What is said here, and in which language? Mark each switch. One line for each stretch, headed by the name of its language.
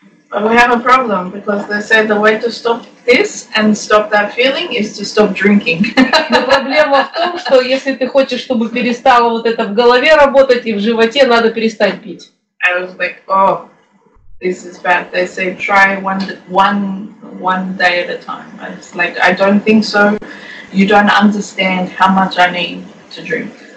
English: We have a problem because they said the way to stop this and stop that feeling is to stop drinking.
Russian: Но проблема в том, что если ты хочешь, чтобы перестало вот это в голове работать и в животе, надо перестать пить.
English: I was like, oh, this is bad. They say try one day at a time. It's like, I don't think so. You don't understand how much I need to drink.